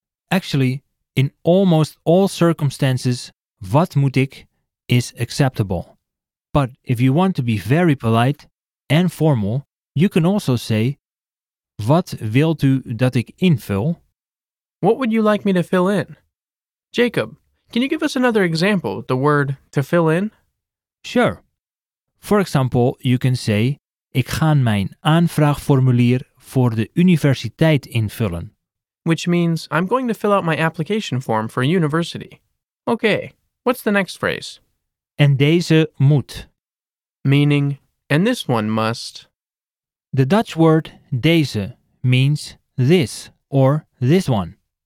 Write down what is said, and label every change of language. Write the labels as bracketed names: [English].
[English] Actually, in almost all circumstances, [Dutch] wat moet ik [English] is acceptable. But if you want to be very polite and formal, you can also say [Dutch] wat wilt u dat ik invul? [English] What would you like me to fill in? Jacob, can you give us another example with the word to fill in? Sure. For example, you can say [Dutch] ik ga mijn aanvraagformulier voor de universiteit invullen. [English] Which means I'm going to fill out my application form for a university. Okay, what's the next phrase? [Dutch] En deze moet. [English] Meaning, and this one must. The Dutch word deze means this or this one.